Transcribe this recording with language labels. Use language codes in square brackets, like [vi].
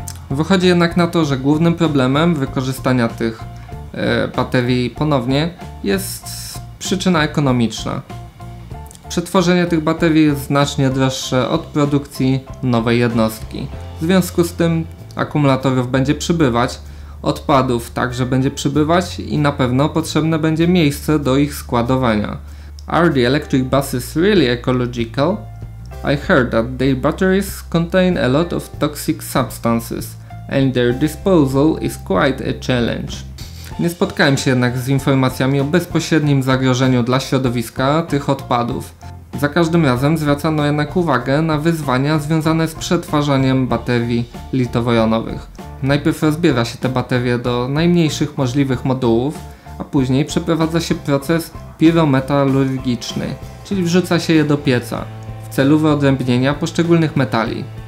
[pl] Wychodzi jednak na to, że głównym problemem wykorzystania tych baterii ponownie jest przyczyna ekonomiczna. Przetworzenie tych baterii jest znacznie droższe od produkcji nowej jednostki. W związku z tym akumulatorów będzie przybywać, odpadów także będzie przybywać i na pewno potrzebne będzie miejsce do ich składowania. [en] Are the electric buses really ecological? I heard that their batteries contain a lot of toxic substances and their disposal is quite a challenge. [pl] Nie spotkałem się jednak z informacjami o bezpośrednim zagrożeniu dla środowiska tych odpadów. Za każdym razem zwracano jednak uwagę na wyzwania związane z przetwarzaniem baterii litowo-jonowych. Najpierw rozbiera się te baterie do najmniejszych możliwych modułów, a później przeprowadza się proces pirometalurgiczny, czyli wrzuca się je do pieca w celu wyodrębnienia poszczególnych metali.